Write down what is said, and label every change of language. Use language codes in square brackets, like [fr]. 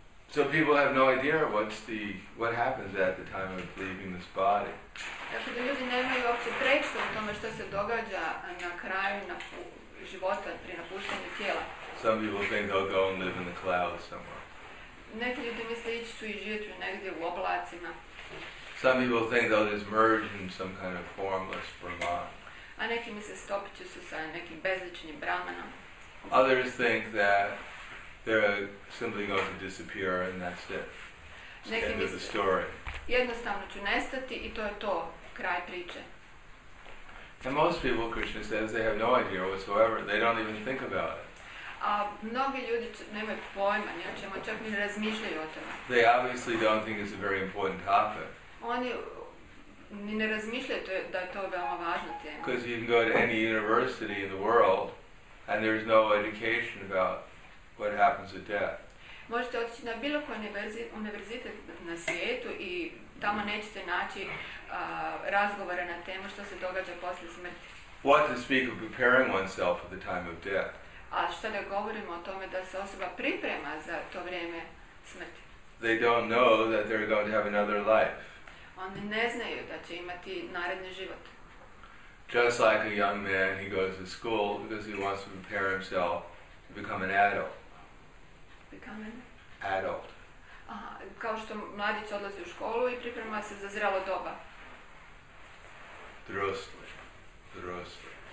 [en] So people have no idea what happens at the time of leaving this body. [hr] Dakle, ljudi nemaju uopće predstavu o tome što se događa na kraju života pri napuštanju tijela. [en] Some people think they'll go and live in the clouds somewhere. [hr] Neki ljudi misle ići su i živjeti negdje u oblacima. [en] Some people think they'll just merge in some kind of formless Brahman. [hr] A neki misle stopit će se sa nekim bezličnim Brahmanom. [en] Others think that they're simply going to disappear and that's it. It's the end of the story. [hr] Jednostavno ću nestati i to je to, kraj priče. [en] And most people, Krishna says, they have no idea whatsoever. They don't even think about it. [hr] A mnogi ljudi nemaju pojma ni o čemu, čak ni razmišljaju o tome. [en] They obviously don't think it's a very important topic. [hr] Oni ni ne razmišljaju da je to veoma važna tema. [en] Because you can go to any university in the world and there is no education about what happens at death. [hr] Možete otići na bilo koji univerzitet na svijetu i tamo nećete naći razgovore na temu što se događa poslije smrti. [en] What to speak of preparing oneself for the time of death? [hr] A što da govorimo o tome da se osoba priprema za to vrijeme smrti? [en] They don't know that they're going to have another life. [hr] Oni ne znaju da će imati naredni život. [en] Just like a young man, he goes to school because he wants to prepare himself to become an adult. Become an adult. [hr] Aha, kao što mladić odlazi u školu i priprema se za zrelo doba. Drosli. Drosli.